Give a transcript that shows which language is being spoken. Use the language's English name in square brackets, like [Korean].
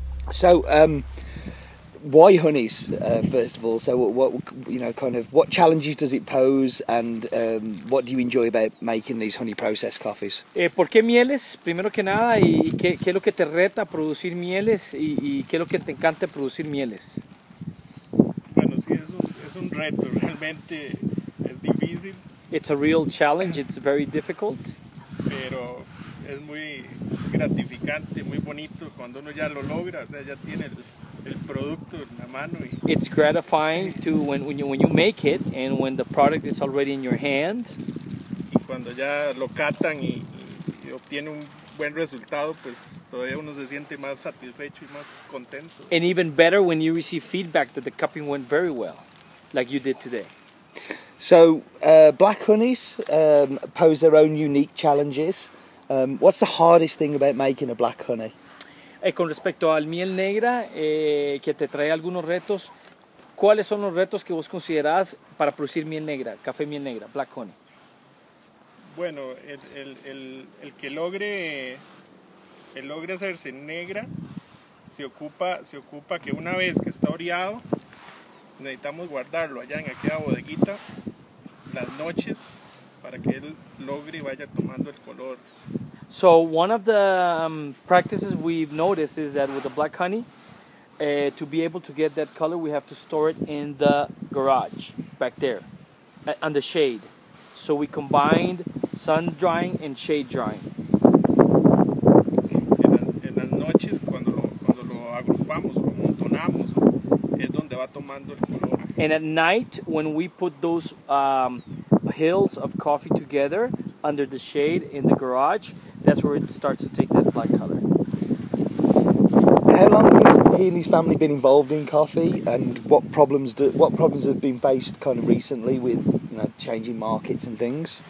[English] So, why honeys, first of all? So, what challenges does it pose, and what do you enjoy about making these honey processed coffees? [Spanish] ¿Por qué mieles? Primero que nada, y qué es lo que te reta producir mieles, y qué es lo que te encanta producir mieles? Bueno, sí, es un reto, realmente es difícil. [English] It's a real challenge, it's very difficult. [Spanish] Pero es muy gratificante, muy bonito cuando uno ya lo logra, o sea, ya tiene el producto en la mano. [English] It's gratifying to when you make it and when the product is already in your hand. [Spanish] Y cuando ya lo catan y obtiene un buen resultado, pues todavía uno se siente más satisfecho y más contento. [English] And even better when you receive feedback that the cupping went very well, like you did today. So, black honeys pose their own unique challenges. What's the hardest thing about making a black honey? [Spanish] Con respecto al miel negra, que te trae algunos retos, ¿cuáles son los retos que vos considerás para producir miel negra, café miel negra, black honey? Bueno, el que logre hacerse negra, se ocupa que una vez que está oreado, necesitamos guardarlo allá en aquella bodeguita, las noches, para que él logre y vaya tomando el color. [English] So one of the practices we've noticed is that with the black honey, to be able to get that color, we have to store it in the garage, back there, on the shade. So we combined sun drying and shade drying. [Spanish] En las noches, cuando lo agrupamos, lo montonamos, es donde va tomando el color. [English] And at night, when we put those hills of coffee together under the shade in the garage, that's where it starts to take that black color. How long has he and his family been involved in coffee, and what problems have been faced kind of recently with, you know, changing markets and things?